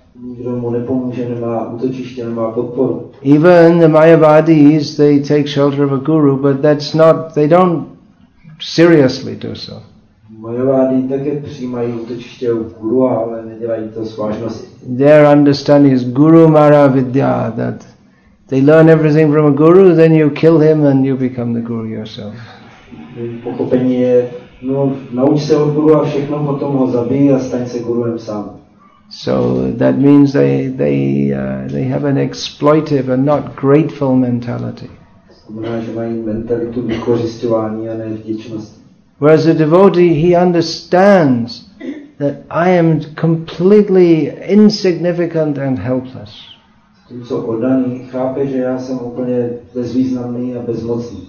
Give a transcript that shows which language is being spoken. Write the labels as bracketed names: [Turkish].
[Czech] Nikdo mu nepomůže, nemá útočiště, nemá podporu. [English] Even the Mayavadis, they take shelter of a guru, but that's not, they don't seriously do so. [Czech] Mayavadi také přijímají útočiště u guru, ale nedělají to s vážností. [English] Their understanding is guru mara vidya, that they learn everything from a guru, then you kill him and you become the guru yourself. [Czech] Pochopení je, no, nauč se od guru a všechno potom ho zabij a staň se guruem sám. [English] So that means they have an exploitive and not grateful mentality. [Czech] Znamená, že mají mentalitu vykořisťování a ne vděčnosti. [English] Whereas a devotee, he understands that I am completely insignificant and helpless. [Czech] Tímco oddaný chápe, že já jsem úplně bezvýznamný a bezmocný.